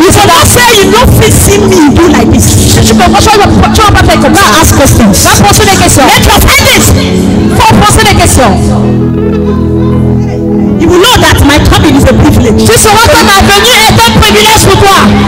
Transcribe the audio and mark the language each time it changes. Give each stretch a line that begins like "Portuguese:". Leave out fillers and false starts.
English: You cannot say you don't face me do like this.
French: Si tu me vois, tu vas pas faire comme ça.
English: Ask questions.
French: Va poser des questions.
English: Let us end it.
French: Va poser des questions.
English: You will know that my coming is a privilege.
French: Tu sauras que ma venue est un privilège pour toi.